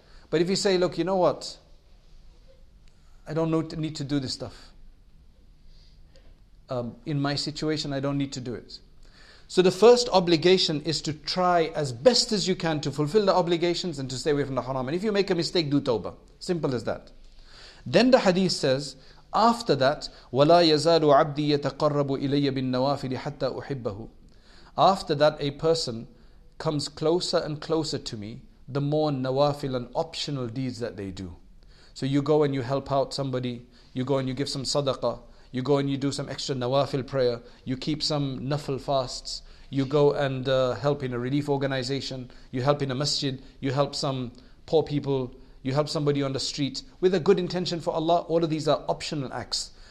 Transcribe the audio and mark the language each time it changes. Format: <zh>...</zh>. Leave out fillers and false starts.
<en>But if you say, look, you know what? I don't need to do this stuff. In my situation, I don't need to do it. So the first obligation is to try as best as you can to fulfill the obligations and to stay away from the haram. And if you make a mistake, do tawbah. Simple as that.</en> <ar>Then the hadith says, after that, وَلَا يَزَالُ عَبْدِي يَتَقَرَّبُ إِلَيَّ بِالنَّوَافِلِ حَتَّى أُحِبَّهُ.</ar> <en>After that, a person comes closer and closer to me, the more nawafil and optional deeds that they do. So you go and you help out somebody, you go and you give some sadaqah, you go and you do some extra nawafil prayer, you keep some nafil fasts, you go and help in a relief organization, you help in a masjid, you help some poor people, you help somebody on the street, with a good intention for Allah, all of these are optional acts.</en>